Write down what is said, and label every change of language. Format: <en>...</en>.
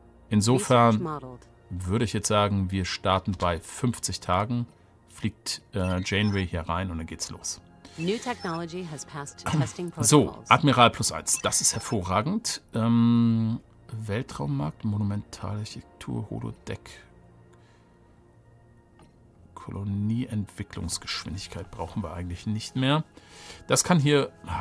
<de>Insofern würde ich jetzt sagen, wir starten bei 50 Tagen, fliegt Janeway hier rein und dann geht's los.</de> <en>New technology has passed testing protocols.</en> <de>So, Admiral plus 1, das ist hervorragend. Weltraummarkt, Monumentalarchitektur, Holodeck. Kolonieentwicklungsgeschwindigkeit brauchen wir eigentlich nicht mehr. Das kann hier.</de>